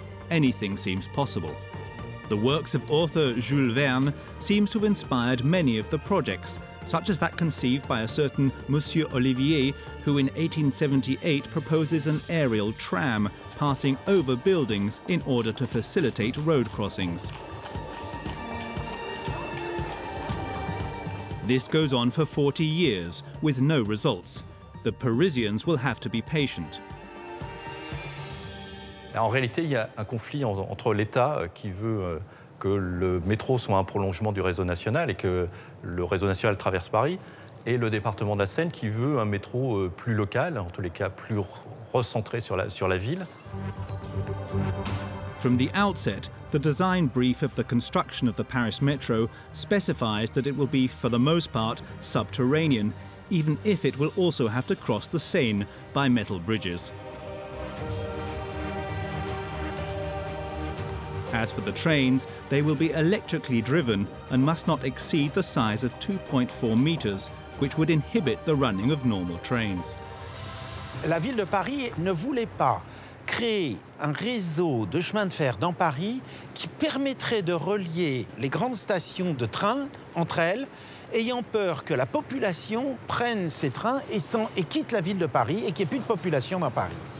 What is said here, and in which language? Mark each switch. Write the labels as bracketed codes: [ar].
[en] Anything seems possible. The works of author Jules Verne seems to have inspired many of the projects, such as that conceived by a certain Monsieur Olivier, who in 1878 proposes an aerial tram passing over buildings in order to facilitate road crossings. This goes on for 40 years with no results. The Parisians will have to be patient. [fr] En réalité, il y a un conflit entre l'État qui veut que le métro soit un prolongement du réseau national et que le réseau national traverse Paris, et le département de la Seine qui veut un métro plus local, en tous les cas plus recentré sur la ville. [en] From the outset, the design brief of the construction of the Paris Metro specifies that it will be, for the most part, subterranean, even if it will also have to cross the Seine by metal bridges. As for the trains, they will be electrically driven and must not exceed the size of 2.4 meters, which would inhibit the running of normal trains. [fr] La ville de Paris ne voulait pas créer un réseau de chemin de fer dans Paris qui permettrait de relier les grandes stations de train entre elles, ayant peur que la population prenne ces trains et quitte la ville de Paris et qu'il n'y ait plus de population dans Paris.